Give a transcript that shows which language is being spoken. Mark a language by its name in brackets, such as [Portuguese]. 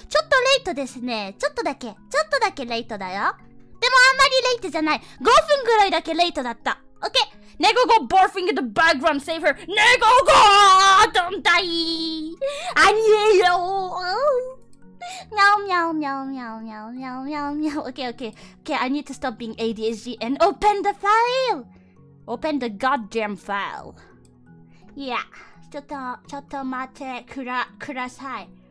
[Japanese] ちょっとレートですね。ちょっとだけレートだよ。でもあんまりレートじゃない。5分ぐらいだけレートだった。 [English] オッケー。ネゴゴ barfing in the background, save her! ネゴゴー Don't die! アニエヨーmeow meow meow meow meow meow meow meow. Okay, I need to stop being ADHD and open the file. Open the goddamn file. Yeah. [Japanese] ちょっと待ってください。